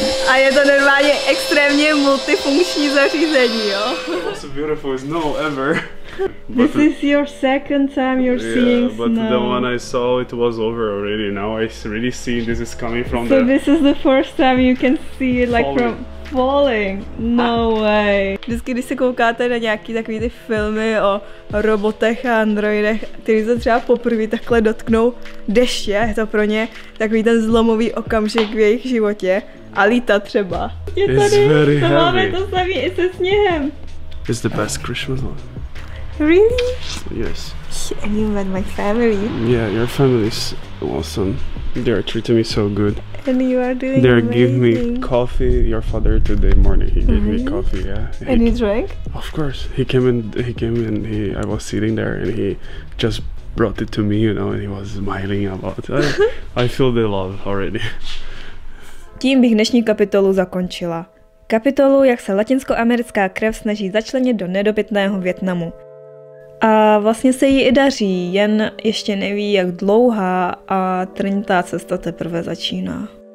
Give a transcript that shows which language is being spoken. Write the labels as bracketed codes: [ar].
[cs] A je to normálně extrémně multifunkční zařízení, jo? [en] It's so beautiful as snow ever. This is your second time you're seeing snow. But the one I saw, it was over already. Now I really see this is coming from there. So this is the first time you can see it like from falling. No way. [cs] Vždycky, když se koukáte na nějaký takový ty filmy o robotech a androidech, který se třeba poprvé takhle dotknou deště, je to pro ně takový ten zlomový okamžik v jejich životě. A lítat třeba. Je tady, [en] it's very [cs] heavy. Máme to samý i se sněhem. [en] It's the best Christmas one. Really? Yes. And you met my family. Yeah, your family is awesome. They are treating me so good. And you are doing They amazing. Give me coffee. Your father today morning, he gave me coffee, yeah. And he drank? Of course. He came in, I was sitting there and he just brought it to me, you know, and he was smiling about it. I feel the love already. [cs] Tím bych dnešní kapitolu zakončila. Kapitolu, jak se latinskoamerická krev snaží začlenit do nedobytného Vietnamu. A vlastně se jí i daří, jen ještě neví, jak dlouhá a trnitá cesta teprve začíná.